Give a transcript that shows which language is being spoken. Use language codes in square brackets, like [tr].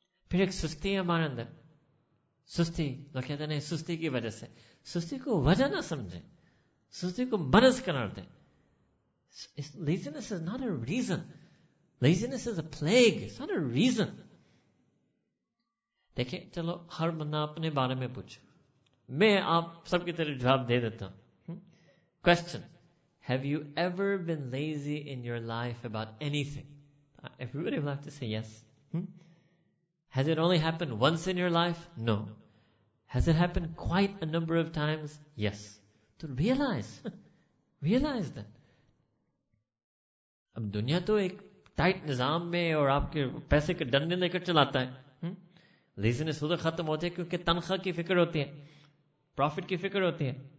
[ur] پھر ایک سستی ہے ہمارے اندر, سستی, لوگ کہتے ہیں سستی کی وجہ سے, سستی کو وجہ نہ سمجھیں, سستی کو مرض قرار دیں. [en] Laziness is not a reason. Laziness is a plague. It's not a reason. [ur] دیکھیں, چلو ہر بندہ اپنے بارے میں پوچھ, میں آپ سب کی طرف جواب دے دیتا ہوں. [en] Question: Have you ever been lazy in your life about anything? Everybody will have to say yes. Has it only happened once in your life? No. Has it happened quite a number of times? Yes. [ur] تو [en] realise then, [ur] اب دنیا تو ایک tight نظام میں اور آپ کے پیسے کے ڈنڈے لے کر چلاتا ہے, لیزنس ادھر ختم ہوتی ہے کیونکہ تنخواہ کی فکر ہوتی ہے, پروفٹ کی فکر ہوتی ہے.